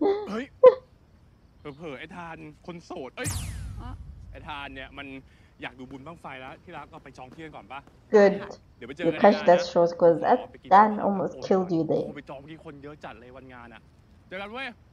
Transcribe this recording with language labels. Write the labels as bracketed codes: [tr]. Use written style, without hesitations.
[th] เฮ้ยเผลอๆไอ้ทานคนโสดเอ้ยไอ้ทานเนี่ยมันอยากดูบุญบั้งไฟแล้วที่รักก็ไปจองเที่ยวก่อนป่ะ [en] Good [th] เดี๋ยวไปเจอกันนะ [en] You catch that shows cuz that almost killed you there [th] ไปจองที่คนเยอะจัดเลยวันงานอ่ะเจอกันเว้ย